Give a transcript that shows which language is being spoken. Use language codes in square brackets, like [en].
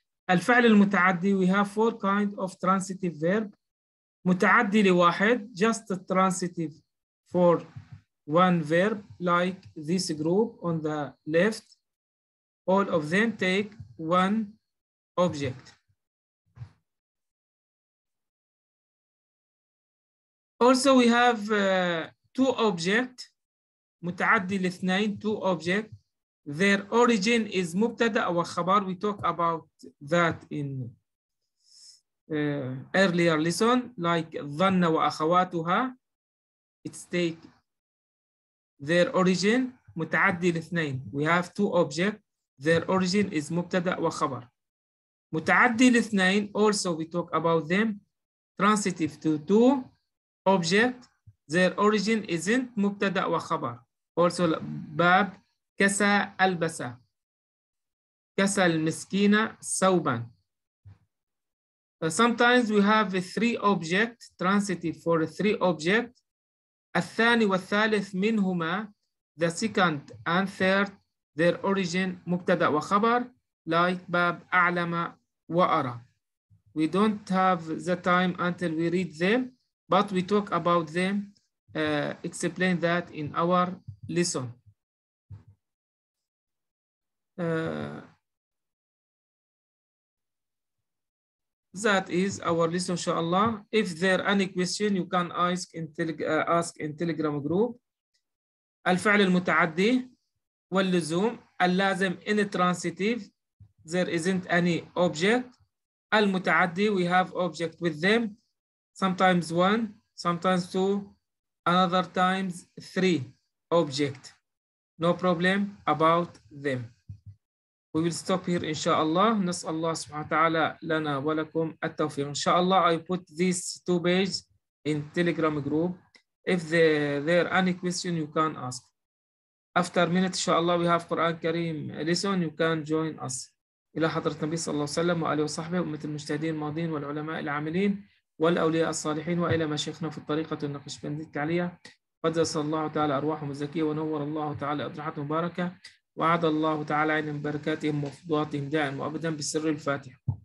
[ar] الفعل المتعدي, [en] we have four kinds of transitive verb. [ar] متعدي لواحد, [en] just a transitive for one verb, like this group on the left. All of them take one object. Also, we have two objects. [ar] متعدي الاثنين, [en] two objects. Their origin is [ar] مبتدأ وخبر. [en] We talk about that in earlier lesson, like [ar] ظن وأخواتها. [en] It's take their origin, [ar] متعدي الاثنين. [en] We have two objects. Their origin is [ar] مبتدأ وخبر. متعدي الاثنين, [en] also we talk about them, transitive to two objects. Their origin isn't [ar] مبتدأ وخبر. [en] Also, [ar] باب كسى ألبسة كسى المسكينة ثوبا. [en] Sometimes we have three objects, transitive for three objects. [ar] الثاني والثالث منهما, [en] the second and third, their origin [ar] مبتدأ وخبر, [en] like [ar] باب أعلم وأرى. [en] We don't have the time until we read them, but we talk about them, explain that in our listen. That is our listen, inshallah. If there are any question, you can ask in Telegram group. [ar] الفعل المتعدي واللزوم اللازم [en] intransitive. There isn't any object. المتعدي, we have object with them. Sometimes one, sometimes two, another times three. Object, no problem about them. We will stop here, inshallah. [ar] نسأل الله سبحانه وتعالى لنا ولكم التوفيق. [en] Inshallah, I put these two pages in Telegram group. If there are any question, you can ask. After a minute, inshallah, we have Quran Kareem lesson. You can join us. [ar] إلى حضرة النبي صلى الله عليه وسلم وآله وصحبه ومثل المجتهدين الماضين والعلماء العاملين والأولياء الصالحين وإلى مشيخنا في الطريقة النقشبندية العليا. قدس الله تعالى أرواحهم الزكية ونور الله تعالى أدراحهم مباركة وعد الله تعالى عين بركاتهم وفضواتهم دائما وأبدا بسر الفاتحة.